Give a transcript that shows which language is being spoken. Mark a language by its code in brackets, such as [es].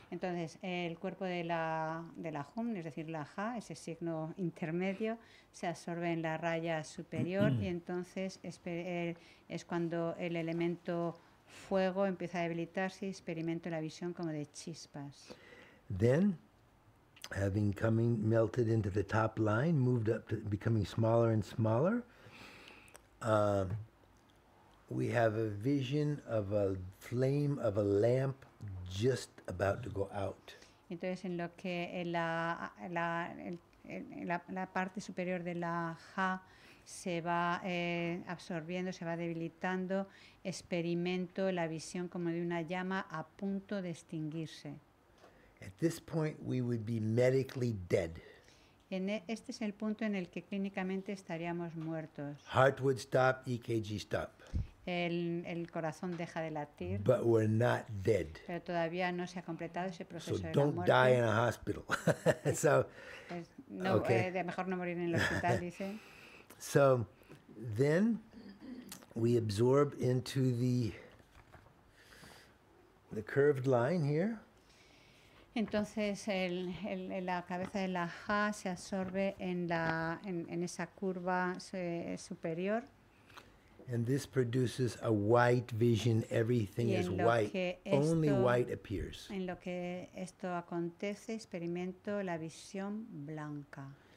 [es] Entonces, el cuerpo de la hum, es decir, la ha, ese signo intermedio, se absorbe en la raya superior mm-hmm. y entonces es cuando el elemento fuego empieza a debilitarse y experimento la visión como de chispas. [en] Then, having coming melted into the top line, moved up to becoming smaller and smaller, we have a vision of a flame of a lamp just about to go out. [es] Entonces, en lo que la parte superior de la ja se va absorbiendo, se va debilitando, experimento la visión como de una llama a punto de extinguirse. [en] At this point, we would be medically dead. [es] Este es el punto en el que clínicamente estaríamos muertos. [en] Heart would stop, EKG stop. [es] El corazón deja de latir. [en] But we're not dead. [es] Pero todavía no se ha completado ese proceso [en] so [es] de la muerte. [en] So don't die in a hospital. So, no, okay. [es] De mejor no morir en el hospital, dice. [en] So then we absorb into the curved line here. [es] Entonces la cabeza de la ja se absorbe en esa curva superior. [en] And this produces a white vision. Everything is white. Only white appears. [es] En lo que esto acontece, experimento la visión blanca.